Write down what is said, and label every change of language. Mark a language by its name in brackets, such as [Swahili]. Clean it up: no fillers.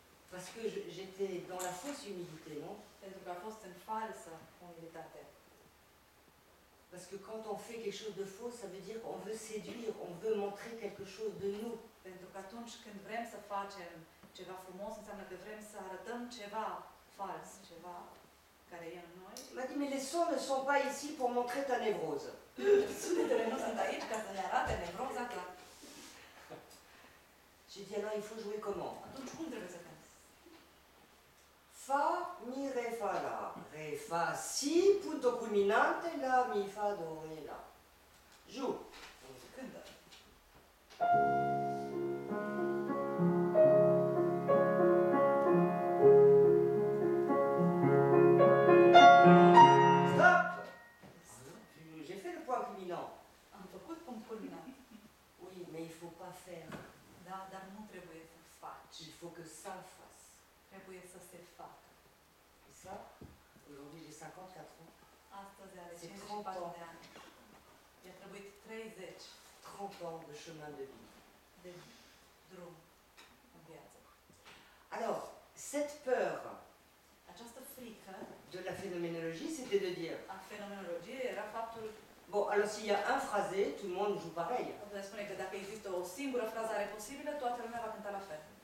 [French] Parce que j'étais dans la fausse humilité, non? [Romanian] Pentru că a fost în falsă umilitate. [French] Parce que quand on fait quelque chose de faux, ça veut dire qu'on veut séduire, on veut montrer quelque chose de nous. [Romanian] Pentru că atunci când vrem să facem ceva frumos, înseamnă că vrem să arătăm ceva fals, ceva care e în noi. [French] M-a dit, mais les sons ne sont pas ici pour montrer ta névrose. [Romanian] Sunetele nu sunt aici ca să ne arate névroza ta. [French] J'ai dit, alors il faut jouer comment? [Romanian] Atunci cum trebuie să cânt? [French] Fa, mi, re, fa, la, re, fa, si, punto culminante, la, mi, fa, do, re, la. Joue. [Romanian] Cântă. [French] Stop! J'ai fait le point culminant. [Romanian] Am făcut punct culminant. [French] Oui, mais il faut pas faire. [Romanian] Da, dar nu trebuie să faci. [French] Il faut que ça fasse. [Romanian] Trebuie să se facă. [French] Aujourd'hui j'ai 54 ans. [Romanian] Astăzi are 54 de ani. I-a trebuit 30. [French] 30 ans de chemin de vie. [Romanian] De drum în viață. [French] Alors, cette peur, [Romanian] această frică [French] de la phénoménologie, c'était de dire. [Romanian] A fenomenologie era faptul. [French] Bon, alors s'il y a un phrasé, tout le monde joue pareil. [Romanian] Vă spune că dacă există o singură cântare posibilă, toată lumea va cânta la fel.